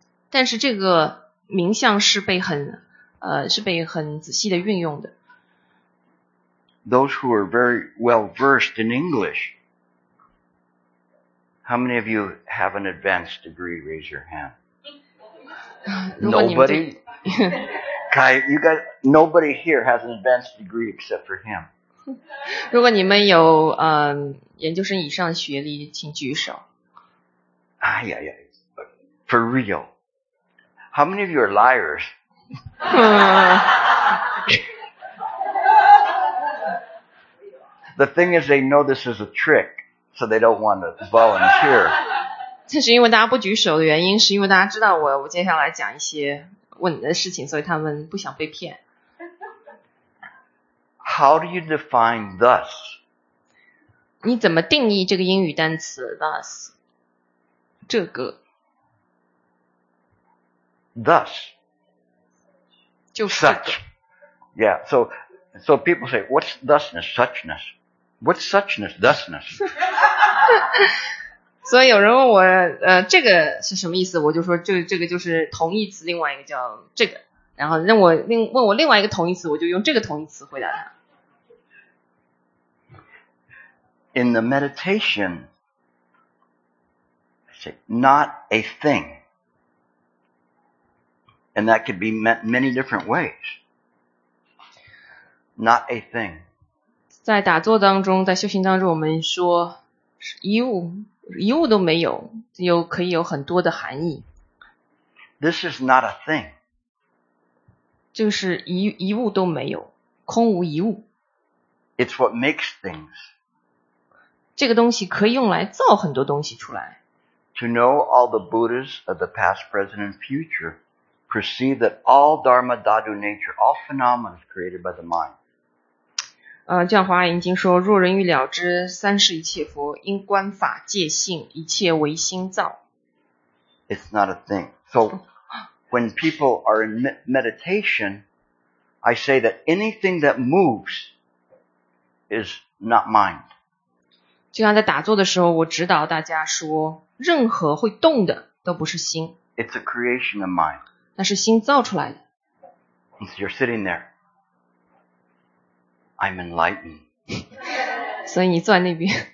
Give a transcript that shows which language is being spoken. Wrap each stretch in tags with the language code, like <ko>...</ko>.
<zh>但是这个名相是被很是被很仔细的运用的。</zh> <en>Those who are very well versed in English, how many of you have an advanced degree? Raise your hand. Nobody. Kai, you got nobody here has an advanced degree except for him.</en> <zh>如果你们有研究生以上学历，请举手。</zh> <en>哎呀呀 ，for real. How many of you are liars? The thing is, they know this is a trick, so they don't want to volunteer.</en> <zh>这是因为大家不举手的原因，是因为大家知道我接下来讲一些问的事情，所以他们不想被骗。</zh> <en>How do you define thus?</en> <zh>你怎么定义这个英语单词 thus? 这个</zh> <en>thus.</en> <zh>就是、</zh> <en>such. Yeah, so people say, what's thusness, suchness? What's suchness, thusness?</en> <zh>所以有人问我这个是什么意思，我就说这个就是同义词，另外一个叫这个。然后问我另外一个同义词，我就用这个同义词回答他。</zh> <en>In the meditation, say, not a thing. And that could be meant many different ways. Not a thing.</en> <zh>在打坐当中，在修行当中，我们说一物都没有，有可以有很多的含义。</zh> <en>This is not a thing.</en> <zh>就是一物都没有，空无一物。</zh> <en>It's what makes things.</en> <zh>这个东西可以用来造很多东西出来。</zh> <en>To know all the Buddhas of the past, present, and future. Perceive that all dharma, dhatu, nature, all phenomena is created by the mind.</en> <zh>像华严经说，若人欲了知三世一切佛，应观法界性，一切唯心造。</zh> <en>It's not a thing. So when people are in meditation, I say that anything that moves is not mind.</en> <zh>就像在打坐的时候，我指导大家说，任何会动的都不是心。</zh> <en>It's a creation of mind.</en> <zh>那是心造出来的。</zh> <en>You're sitting there. I'm enlightened.</en> <zh>所以你坐在那边。</zh>